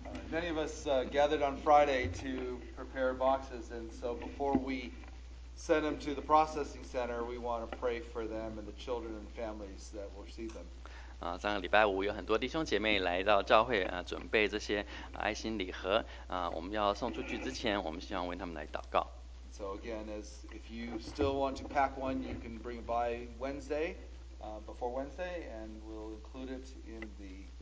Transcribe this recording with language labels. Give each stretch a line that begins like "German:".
English: Many of us gathered on Friday to prepare boxes, and so before we send them to the processing center, we want to pray for them and the children and families that will receive them.
Chinese: 上个礼拜五有很多弟兄姐妹来到教会准备这些爱心礼盒我们要送出去之前，我们希望为他们来祷告。
English: So again, as if you still want to pack one, you can bring it by Wednesday, before Wednesday, and we'll include it in the.